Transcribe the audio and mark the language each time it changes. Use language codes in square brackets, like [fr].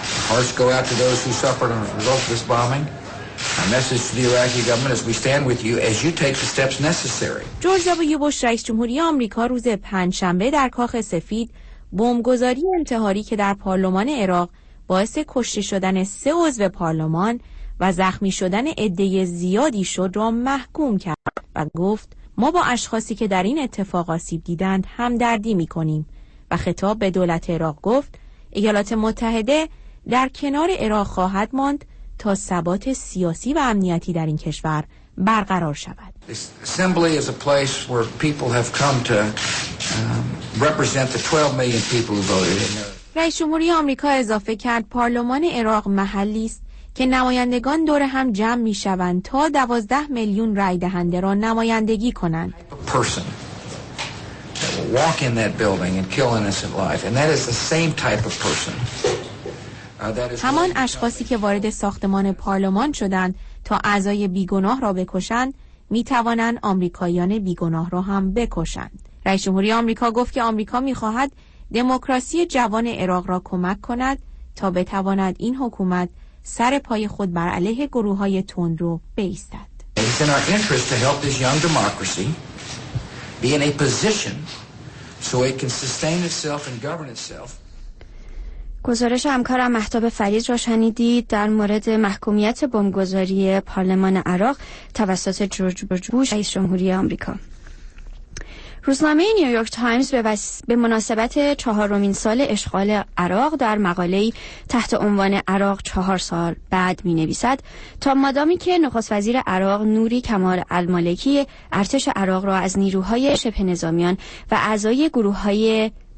[en] Hearts go out to those who suffered as a result of this bombing. Our message to the Iraqi government is: we stand with you as you take the steps necessary. [fa] جورج دبلیو بوش رئیس جمهوری آمریکا روز پنجشنبه در کاخ سفید بمب‌گذاری انتحاری که در پارلمان عراق باعث کشته شدن سه عضو پارلمان و زخمی شدن عده زیادی شد را محکوم کرد و گفت ما با اشخاصی که در این اتفاق آسیب دیدند همدردی می‌کنیم و خطاب به دولت عراق گفت ایالات متحده در کنار عراق خواهد ماند تا ثبات سیاسی و امنیتی در این کشور برقرار شود. [en] Assembly is a place where people have come to represent the 12 million people who voted in there. [fa] رئیس جمهوری آمریکا اضافه کرد پارلمان عراق محلی است که نمایندگان دور هم جمع می شوند تا 12 میلیون رای دهنده را نمایندگی کنند. [en] Walk in that building and kill innocent life, and that is the same type of person. [fa] همان اشخاصی که وارد ساختمان پارلمان شدند تا اعضای بیگناه را بکشند، می توانند آمریکاییان بیگناه را هم بکشند. رئیس جمهوری آمریکا گفت که آمریکا می خواهد دموکراسی جوان عراق را کمک کند تا بتواند این حکومت سر پای خود بر علیه گروه‌های تندرو بایستد. [en] It's in our interest to help this young democracy be in a position so it can sustain itself and govern itself. [fa] گزارش همکارم مهتاب فرید را شنیدید در مورد محکومیت بمبگذاری پارلمان عراق توسط جورج بوش رئیس جمهوری آمریکا. روزنامه نیویورک تایمز به مناسبت چهارمین سال اشغال عراق در مقاله‌ای تحت عنوان عراق 4 سال بعد می نویسد تا مادامی که نخست وزیر عراق نوری کمال المالکی ارتش عراق را از نیروهای شبه نظامیان و اعضای گروه‌های